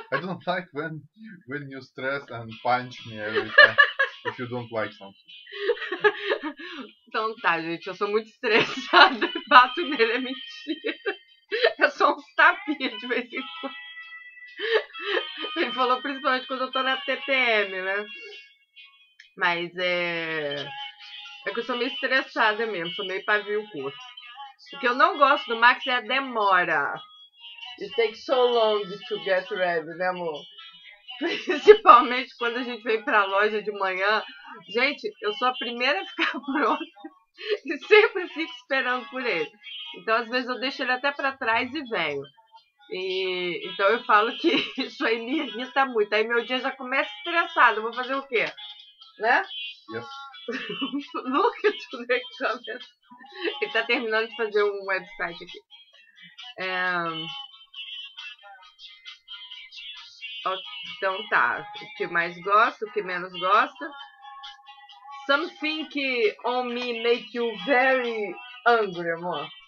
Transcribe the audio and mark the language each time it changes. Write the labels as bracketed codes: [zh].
[en] I don't like when you stress and punch me every time if you don't like something. [pt] Então tá, gente, eu sou muito estressada e bato nele, é mentira. É só uns tapinhas de vez em quando. Ele falou principalmente quando eu tô na TPM, né? Mas é que eu sou meio estressada mesmo, sou meio pavio curto. O que eu não gosto do Max é a demora. [en] It takes so long to get ready, [pt] né, amor? Principalmente quando a gente vem pra loja de manhã. Gente, eu sou a primeira a ficar pronta e sempre fico esperando por ele. Então, às vezes, eu deixo ele até pra trás e venho. Então, eu falo que isso aí me irrita muito. Aí, meu dia já começa estressado. Vou fazer o quê? Né? [en] Yes. Look at the comments. [pt] Ele tá terminando de fazer um website aqui. Então tá, o que mais gosta, o que menos gosta. [en] Something que on me make you very angry, amor.